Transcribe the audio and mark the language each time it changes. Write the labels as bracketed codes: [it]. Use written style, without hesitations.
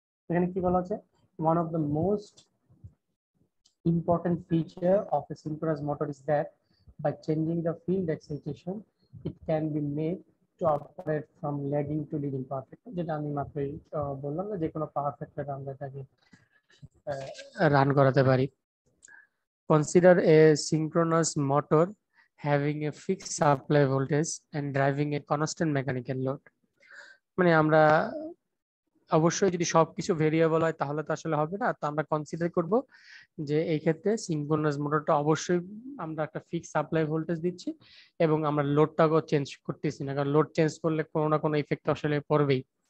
[en] এখানে কি বলা হচ্ছে, one of the most important feature of a synchronous motor is that by changing the field excitation it can be made to operate from lagging to leading power factor, [bn] যেটা আমি মাত্রই বললাম না যে কোনো পাওয়ার ফ্যাক্টর আমরা এটাকে run করাতে পারি। [en] Consider a synchronous motor having a fixed supply voltage and driving a constant mechanical load. [bn] মানে আমরা অবশ্যই যদি সবকিছু ভেরিয়েবল হয় তাহলে তো আসলে হবে না, তো আমরা কনসিডার করব যে এই ক্ষেত্রে সিনক্রোনাস মোটরটা অবশ্যই আমরা একটা ফিক্সড সাপ্লাই ভোল্টেজ দিচ্ছি এবং আমরা লোডটাকেও চেঞ্জ করতেছি না, কারণ লোড চেঞ্জ করলে কোনো না কোনো ইফেক্ট আসলে পড়বেই।